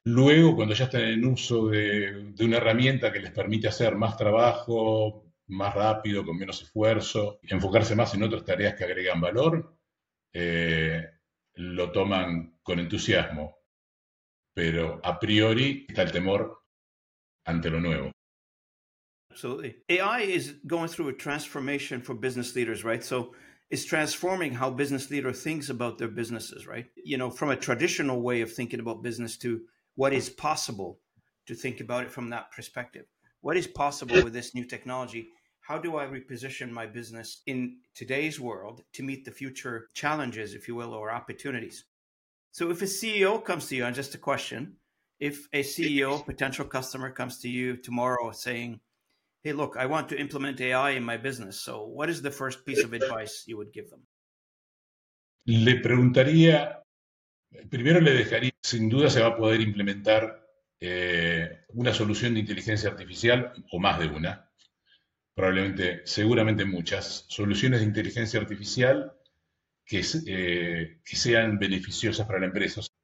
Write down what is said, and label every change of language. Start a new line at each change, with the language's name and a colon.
Spanish: Luego, cuando ya están en uso de una herramienta que les permite hacer más trabajo, más rápido, con menos esfuerzo, enfocarse más en otras tareas que agregan valor, lo toman con entusiasmo. Pero a priori está el temor ante lo nuevo.
English: Absolutely. AI is going through a transformation for business leaders, right? So it's transforming how business leader thinks about their businesses, right? You know, from a traditional way of thinking about business to what is possible, to think about it from that perspective. What is possible with this new technology? How do I reposition my business in today's world to meet the future challenges, if you will, or opportunities? So if a CEO comes to you, and just a question, if a CEO, potential customer, comes to you tomorrow saying, hey, look, I want to implement AI in my business. So what is the first piece of advice you would give them?
Spanish: Le preguntaría, primero le dejaría, sin duda se va a poder implementar una solución de inteligencia artificial o más de una. Probablemente, seguramente muchas soluciones de inteligencia artificial que sean beneficiosas para la empresa.